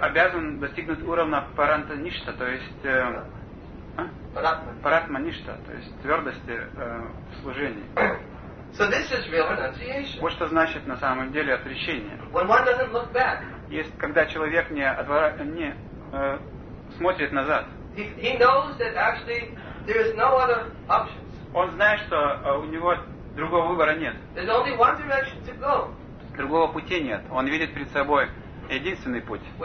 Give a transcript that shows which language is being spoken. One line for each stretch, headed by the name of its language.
Russian: Обязан достигнуть уровня парантаништа, то есть паратманишта, то есть твердости в служении.
English: So this is real renunciation.
Russian: Вот что значит на самом деле отречение.
English: When one doesn't look back,
Russian: есть когда человек не смотрит назад.
English: He knows that actually there is no other options.
Russian: Он знает, что у него другого выбора нет.
English: There's only one direction to go.
Russian: Другого пути нет. Он видит перед собой единственный путь.